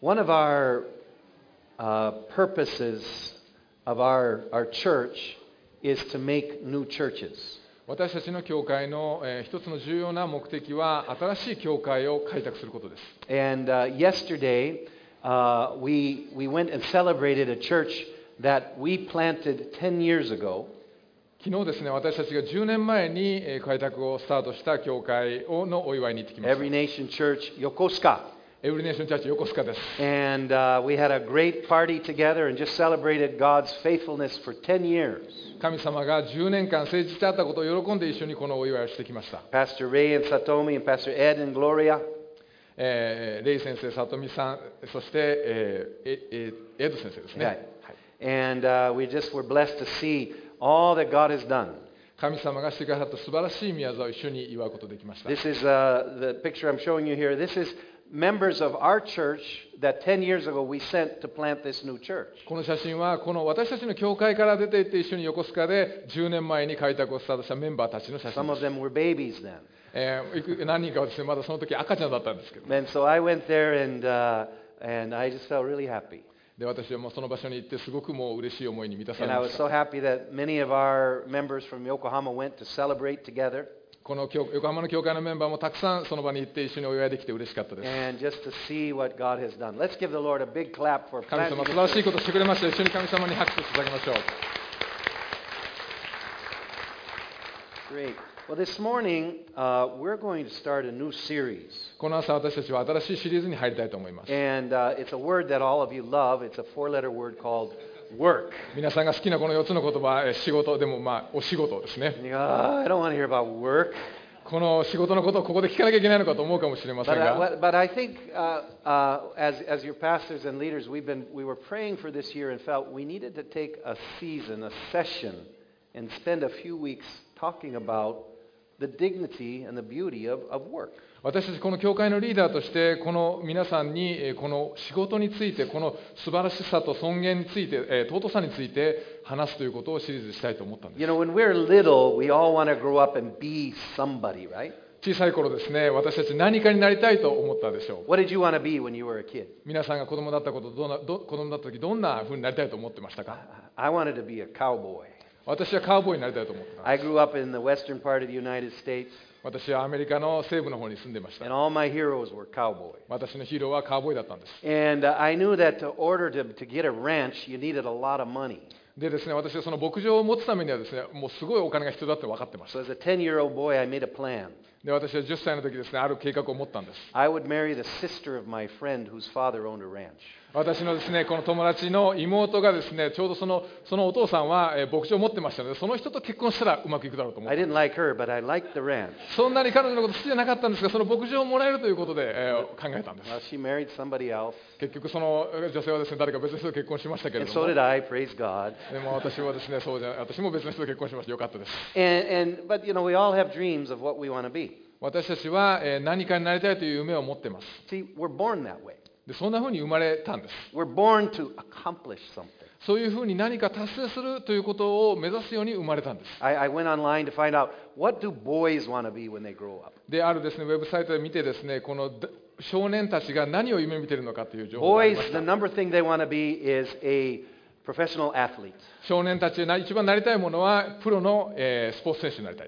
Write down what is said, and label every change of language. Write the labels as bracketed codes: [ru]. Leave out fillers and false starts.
[en] One of our purposes of our church is to make new churches. [ja] 私たちの教会の、一つの重要な目的は新しい教会を開拓することです。 [en] And yesterday, we went and celebrated a church that we planted 10 years ago. [ja] 昨日ですね、私たちが10年前に開拓をスタートした教会をのお祝いに行ってきました。 [en] Every Nation Church Yokosuka. [ja] Every Nation Church Yokosuka です。 [en] And we had a great party together and just celebrated God's faithfulness for 10 years. [ja] 神様が10年間誠実であったことを喜んで一緒にこのお祝いをしてきました。 [en] Pastor Ray and Satomi and Pastor Ed and Gloria、 [ja] レイ先生、サトミさん、そして、エド先生ですね。 [en] Yeah. And we just were blessed to see all that God has done. [ja] 神様がしてくださった素晴らしい御業を一緒に祝うことができました。 [en] This is the picture I'm showing you here. This is members of our church. That 10 years ago we sent to plant this new church. [ja] この写真はこの私たちの教会から出て行って一緒に横須賀で10年前に開拓をスタートしたメンバーたちの写真です。 [en] Some of them were babies then. [ja] 何人かはですね、まだその時赤ちゃんだったんですけど。 [en] And so I went there and I just felt really happy. [ja] で私はもうその場所に行ってすごくもう嬉しい思いに満たされました。 [en] And I was so happy that many of our members from Yokohama went to celebrate together. [ja] この横浜の教会のメンバーもたくさんその場に行って一緒にお祝いできて嬉しかったです。 [en] And just to see what God has done. Let's give the Lord a big clap for planting. [ja] 神様素晴らしいことをしてくれました。一緒に神様に拍手を捧げましょう。 [en] Great. Well, this morning, we're going to start a new series. [ja] この朝私たちは新しいシリーズに入りたいと思います。 [en] And it's a word that all of you love. It's a four-letter word called work. [ja] 皆さんが好きなこの4つの言葉、仕事でもまあお仕事ですね。 [en] I don't want to hear about work. [ja] この仕事のことをここで聞かなきゃいけないのかと思うかもしれませんが。 [en] But I think as your pastors and leaders, we were praying for this year and felt we needed to take a season, a session, and spend a few weeks talking about the dignity and the beauty of work. [ja] 私たちこの教会のリーダーとしてこの皆さんにこの仕事についてこの素晴らしさと尊厳について尊さについて話すということをシリーズしたいと思ったんです。 [en] You know, when we're little, we all want to grow up and be somebody, right? [ja] 小さい頃ですね、私たち何かになりたいと思ったでしょう。 [en] What did you want to be when you were a kid? [ja] 皆さんが子供だったこと、子供だった時どんな風になりたいと思ってましたか? [en] I wanted to be a cowboy. [ja] 私はカウボーイになりたいと思ってます。 [en] I grew up in the western part of the United States. [ja] 私はアメリカの西部の方に住んでました。 [en] And all my heroes were cowboys. [ja] 私のヒーローはカウボーイだったんです。 [en] And I knew that to order to get a ranch, you needed a lot of money. [ja] でですね、私はその牧場を持つためにはですね、もうすごいお金が必要だって分かってました。 [en] So as a 10-year-old boy, I made a plan. [ja] で私は10歳の時ですね、ある計画を持ったんです。 [en] I would marry the sister of my friend whose father owned a ranch. [ja] 私のですね、この友達の妹がですね、ちょうどそのお父さんは牧場を持ってましたので、その人と結婚したらうまくいくだろうと思って。 [en] I didn't like her, but I liked the ranch. [ja] そんなに彼女のこと好きじゃなかったんですが、その牧場をもらえるということで考えたんです。 [en] Well, she married somebody else. [ja] 結局その女性はですね、誰か別の人と結婚しましたけれども。 [en] And so did I, praise God. [ja] でも私はですね、そうじゃ、私も別の人と結婚しました。よかったです。 [en] But you know, we all have dreams of what we want to be. [ja] 私たちは何かになりたいという夢を持っています。 [en] See, we're born that way. [ja] で、そんな風に生まれたんです。 [en] We're born to accomplish something. [ja] そういう風に何か達成するということを目指すように生まれたんです。 [en] I went online to find out what do boys want to be when they grow up. [ja] で、あるですね、ウェブサイトで見てですね、この少年たちが何を夢見ているのかという情報がありました。 [en] Boys, the number thing they want to be is a professional athlete. [ja] 少年たちが一番なりたいものはプロの、スポーツ選手になりたい。